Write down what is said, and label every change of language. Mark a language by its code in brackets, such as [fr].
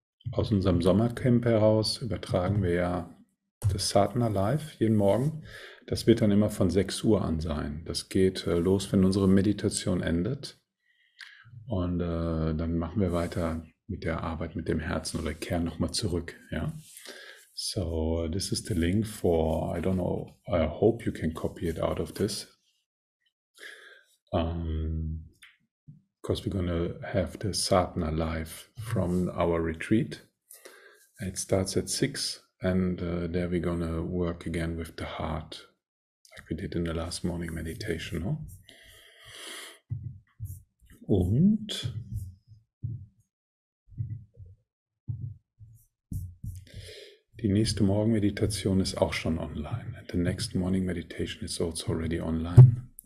[de] Aus unserem Sommercamp heraus übertragen wir ja das Satna Live jeden Morgen. Das wird dann immer von 6 Uhr an sein. Das geht los, wenn unsere Meditation endet. Und dann machen wir weiter mit der Arbeit mit dem Herzen oder kehren nochmal zurück. Ja? [en] So, this is the link for, I don't know, I hope you can copy it out of this. Because we're going to have the Sadhana live from our retreat. It starts at 6, and there we're going to work again with the heart, like we did in the last morning meditation. No? [de] Und die nächste Morgenmeditation ist auch schon online. [en] The next morning meditation is also already online.